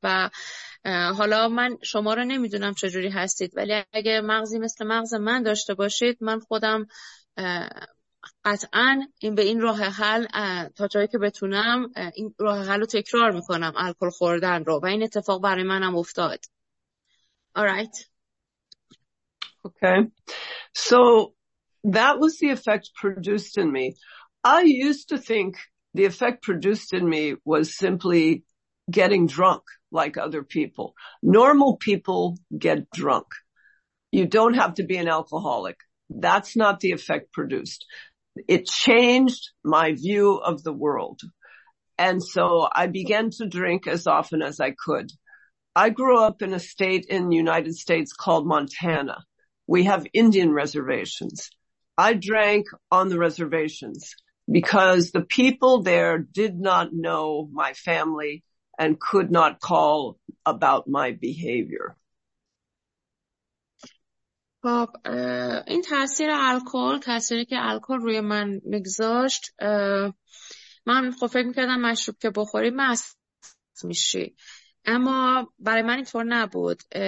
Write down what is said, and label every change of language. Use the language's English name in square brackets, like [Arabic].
[Persian] و حالا من شما رو نمیدونم چجوری هستید، ولی اگه مغزی مثل مغز من داشته باشید، من خودم قطعا این به این راه حل تا جایی که بتونم این راه حل رو تکرار میکنم، الکل خوردن رو، و این اتفاق برای منم افتاد. [English] Alright. Okay. So that was the effect produced in me. I used to think the effect produced in me was simply getting drunk like other people. Normal people get drunk. You don't have to be an alcoholic. That's not the effect produced. It changed my view of the world. And so I began to drink as often as I could. I grew up in a state in the United States called Montana. We have Indian reservations. I drank on the reservations because the people there did not know my family and could not call about my behavior. [Persian] خب این تاثیر الکل، تاثیری که الکل روی من میگذاشت، من خب فکر میکردم مشروب که بخوری مست میشی، اما برای من اینطور نبود.